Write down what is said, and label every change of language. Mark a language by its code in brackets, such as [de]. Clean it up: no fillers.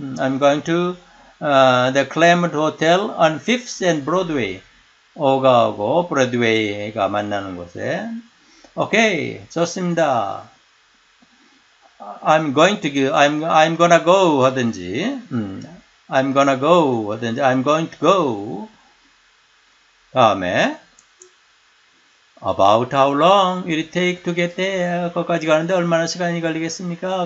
[en] I'm going to the Clement Hotel on 5th and Broadway. [ko] 오가하고 브로드웨이가 만나는 곳에. Okay, 좋습니다. [en] I'm gonna go 하든지, I'm gonna go 하든지, I'm going to go. 다음에 about how long will it take to get there? [ko] 거기까지 가는데 얼마나 시간이 걸리겠습니까?